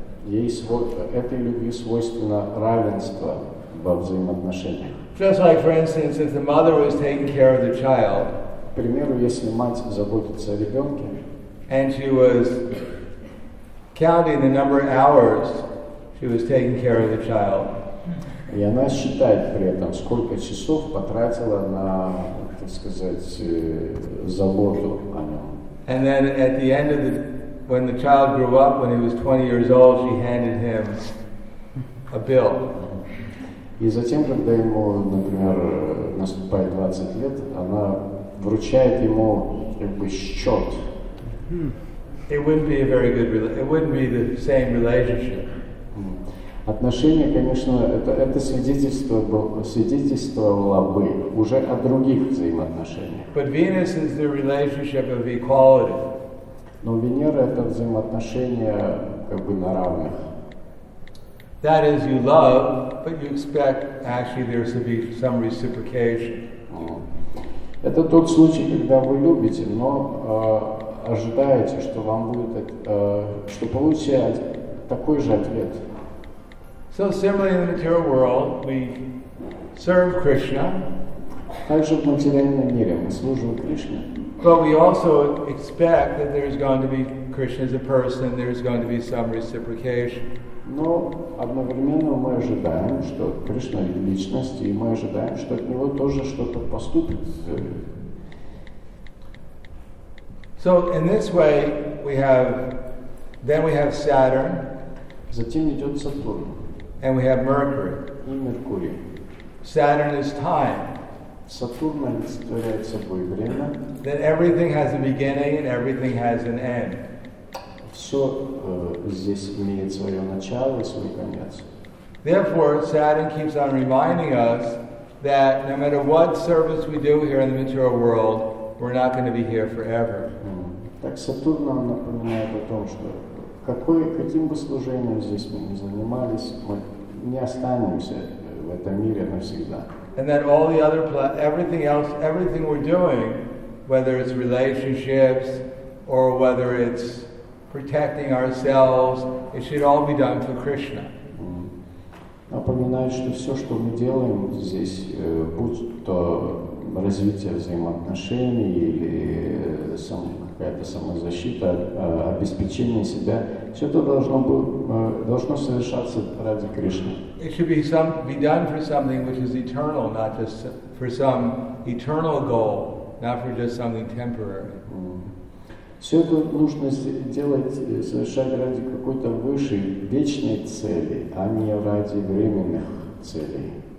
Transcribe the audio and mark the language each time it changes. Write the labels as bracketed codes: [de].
[ru] Ей этой любви свойственно равенство во взаимоотношениях. [en] Just like, for instance, if the mother was taking care of the child. [ru] К примеру, если мать заботится о ребенке. [en] And she was counting the number of hours she was taking care of the child. [ru] И она считает при этом, сколько часов потратила на, так сказать, заботу о нем. [en] And then at the end of the when the child grew up, when he was 20 years old, she handed him a bill. [ru] И затем, когда ему, например, наступает 20 лет, она вручает ему как бы счет. [en] It wouldn't be a very good it wouldn't be the same relationship. [ru] Отношения, конечно, это свидетельствовало бы уже о других взаимоотношениях. [en] But Venus is the relationship of equality. [ru] Но Венера это взаимоотношения как бы на равных. [en] That is, you love, but you expect actually there to be some reciprocation. [ru] Это тот случай, когда вы любите, но ожидаете, что вам будет, что получите такой же ответ. [en] So similarly in the material world, we serve Krishna. [ru] Также в материальном мире мы служим Кришне. [en] But we also expect that there's going to be Krishna as a person, there's going to be some reciprocation. [ru] Но одновременно мы ожидаем, что Кришна — личность, и мы ожидаем, что от него тоже что-то поступит. [en] So in this way, we have Saturn. [ru] Затем идет Сатурн. [en] And we have Mercury. [ru] И Меркурий. [en] Saturn is time. [ru] Сатурн олицетворяет собой время. [en] That everything has a beginning and everything has an end. [ru] Все здесь имеет свое начало и свой конец. [en] Therefore, Saturn keeps on reminding us that no matter what service we do here in the material world, we're not going to be here forever. [ru] Так Сатурн нам напоминает о том, что каким бы служением здесь мы ни занимались, мы не останемся в этом мире навсегда. [en] And that all the other everything we're doing, whether it's relationships or whether it's protecting ourselves, it should all be done for Krishna. [ru] Напоминаю, что все, что мы делаем здесь, будь то развитие взаимоотношений или какая-то самозащита, обеспечение себя. Все это должно совершаться ради Кришны. [en] It should be done for something which is eternal, not just for some eternal goal, not for just something temporary. [ru] Все это нужно делать, совершать ради какой-то высшей, вечной цели, а не ради временных целей.